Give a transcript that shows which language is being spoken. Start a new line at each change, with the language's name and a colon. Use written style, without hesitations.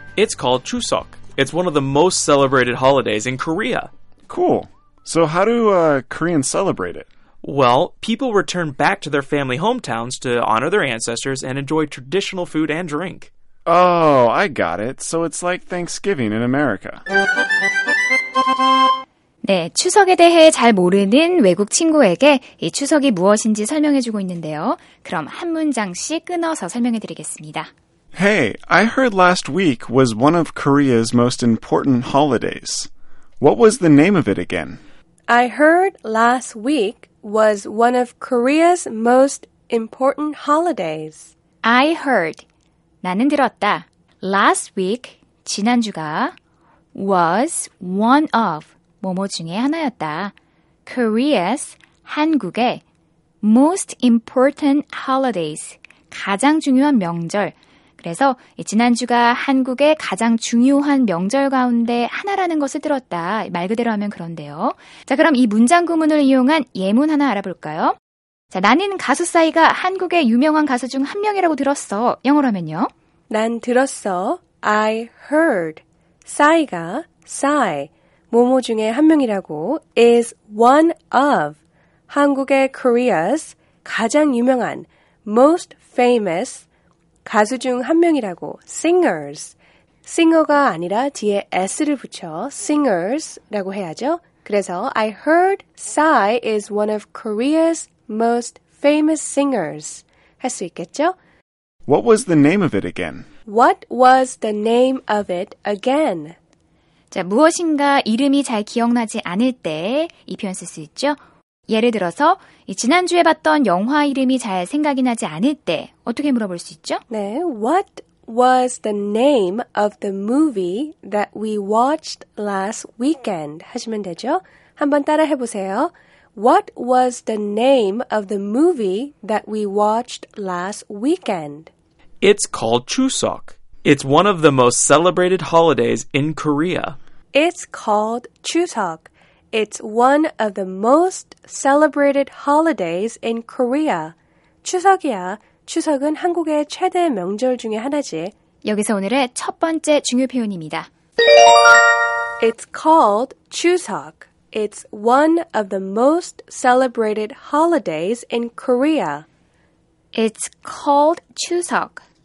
English: It's called 추석. It's one of the most celebrated holidays in Korea. Cool. So how do Koreans celebrate it? Well, people return back to their family hometowns to honor their ancestors and enjoy traditional food and drink. Oh, I got it. So it's like Thanksgiving in America.
Korean: 네, 추석에 대해 잘 모르는 외국 친구에게 이 추석이 무엇인지 설명해주고 있는데요. 그럼 한 문장씩 끊어서 설명해드리겠습니다.
English: Hey, I heard last week was one of Korea's most important holidays. What was the name of it again? I heard last week was one of Korea's most important holidays. I heard.
Korean: 나는 들었다.
English: Last week,
Korean: 지난주가,
English: was one of,
Korean: 뭐뭐 중에 하나였다.
English: Korea's,
Korean: 한국의,
English: most important holidays,
Korean: 가장 중요한 명절. 그래서 지난주가 한국의 가장 중요한 명절 가운데 하나라는 것을 들었다. 말 그대로 하면 그런데요. 자, 그럼 이 문장 구문을 이용한 예문 하나 알아볼까요? 자, 나는 가수 싸이가 한국의 유명한 가수 중 한 명이라고 들었어. 영어로 하면요? 난 들었어.
English: I heard.
Korean: 싸이가 싸이, 뭐뭐 중에 한 명이라고
English: is one of
Korean: 한국의
English: Korea's
Korean: 가장 유명한
English: most famous
Korean: 가수 중 한 명이라고,
English: singers.
Korean: singer가 아니라 뒤에 s를 붙여 singers라고 해야죠. 그래서
English: I heard Psy is one of Korea's most famous singers
Korean: 할 수 있겠죠?
English: What was the name of it again? What was the name of it again?
Korean: 자, 무엇인가 이름이 잘 기억나지 않을 때 이 표현 쓸 수 있죠? 예를 들어서 지난주에 봤던 영화 이름이 잘 생각이 나지 않을 때 어떻게 물어볼 수 있죠?
English: 네, What was the name of the movie that we watched last weekend?
Korean: 하시면 되죠. 한번 따라해 보세요.
English: What was the name of the movie that we watched last weekend? It's called 추석. It's one of the most celebrated holidays in Korea. It's called 추석. It's one of the most celebrated holidays in Korea.
Korean: 추석이야. 추석은 한국의 최대 명절 중에 하나지. 여기서 오늘의 첫 번째 중요 표현입니다.
English: It's called 추석. It's one of the most celebrated holidays in Korea. It's called 추석.